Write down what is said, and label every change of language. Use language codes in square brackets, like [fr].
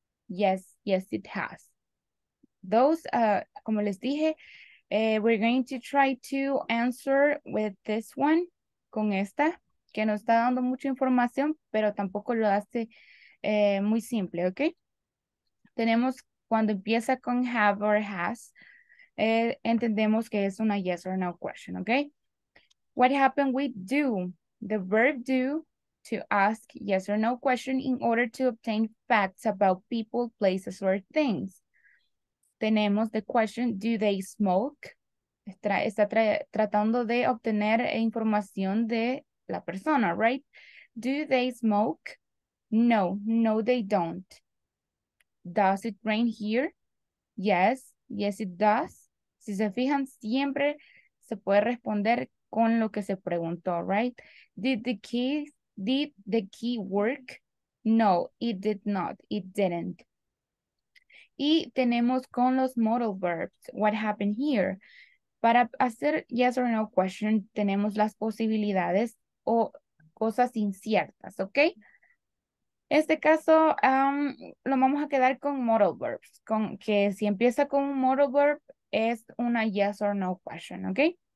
[es] Yes, yes, it has. Those, como les dije, we're going to try to answer with this one, con esta, que nos está dando mucha información, pero tampoco lo hace muy simple, ¿ok? Tenemos, cuando empieza con have or has, entendemos que es una yes or no question, ¿ok? [en] What happened with do? The verb do, to ask yes or no question in order to obtain facts about people, places, or things. Tenemos the question, do they smoke? [es] Está tratando de obtener información de la persona, right? [en] Do they smoke? No, no they don't. Does it rain here? Yes, yes it does. [es] Si se fijan, siempre se puede responder con lo que se preguntó, right? [en] Did the key work? No, it did not. It didn't. [es] Y tenemos con los modal verbs, what happened here. Para hacer yes or no question, tenemos las posibilidades o cosas inciertas, ¿ok? En este caso, lo vamos a quedar con modal verbs, con que si empieza con un modal verb, es una yes or no question, ¿ok?